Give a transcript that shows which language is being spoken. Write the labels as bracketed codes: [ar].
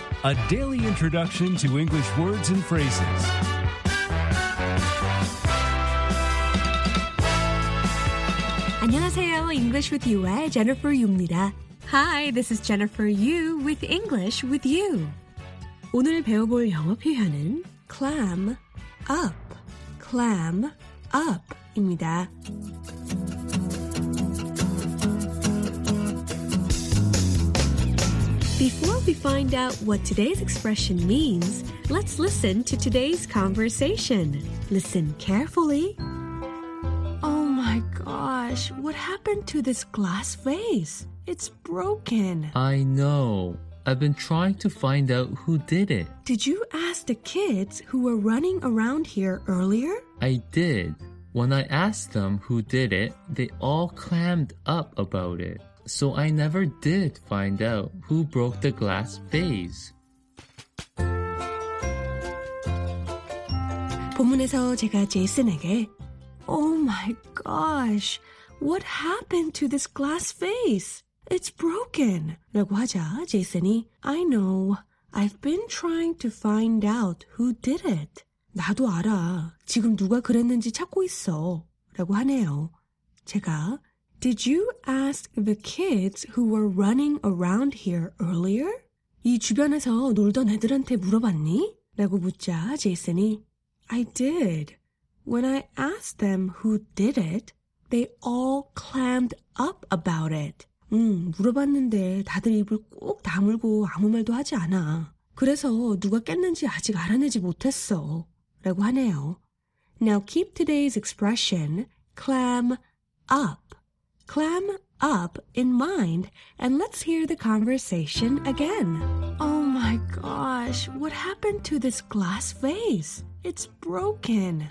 [en] A daily introduction to English words and phrases. [ko] English with you의 Jennifer Yu입니다. [en] Hi, this is Jennifer Yu with English with you. [ko] 오늘 배워볼 영어 표현은 clam up, clam up입니다. [en] Before we find out what today's expression means, let's listen to today's conversation. Listen carefully. Gosh, what happened to this glass vase? It's broken. I know. I've been trying to find out who did it. Did you ask the kids who were running around here earlier? I did. When I asked them who did it, they all clammed up about it. So I never did find out who broke the glass vase. [ko] 본문에서 제가 제이슨에게 [en] Oh my gosh, what happened to this glass vase? It's broken. [ko] 라고 하자, 제이슨이, [en] I know, I've been trying to find out who did it. [ko] 나도 알아, 지금 누가 그랬는지 찾고 있어. 라고 하네요. 제가, [en] Did you ask the kids who were running around here earlier? [ko] 이 주변에서 놀던 애들한테 물어봤니? 라고 묻자, 제이슨이, [en] I did. When I asked them who did it, they all clammed up about it. [ko] 물어봤는데 다들 입을 꼭 다물고 아무 말도 하지 않아. 그래서 누가 깼는지 아직 알아내지 못했어. 라고 하네요. [en] Now keep today's expression, clam up. Clam up in mind, and let's hear the conversation again. Oh my gosh, what happened to this glass vase? It's broken.